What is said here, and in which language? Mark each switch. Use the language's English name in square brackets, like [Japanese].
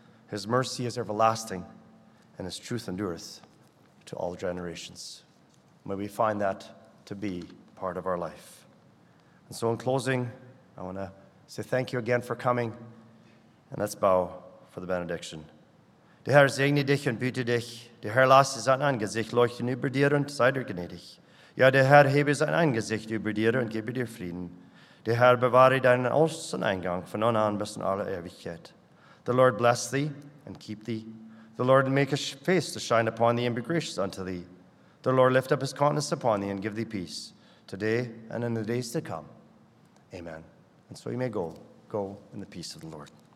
[English] His mercy is everlasting, and his truth endureth to all generations. May we find that to be part of our life. And so in closing, I want to say thank you again for coming, and let's bow for the benediction. [German] Der Herr segne dich und büte dich. Der Herr lasse sein Angesicht leuchten über dir und sei dir gnädig. Ja, der Herr hebe sein Angesicht über dir und gebe dir Frieden. Der Herr bewahre deinen Außeneingang von nun an bis in alle Ewigkeit. [English] The Lord bless thee and keep thee. The Lord make his face to shine upon thee and be gracious unto thee. The Lord lift up his countenance upon thee and give thee peace, today and in the days to come. Amen. And so you may go in the peace of the Lord.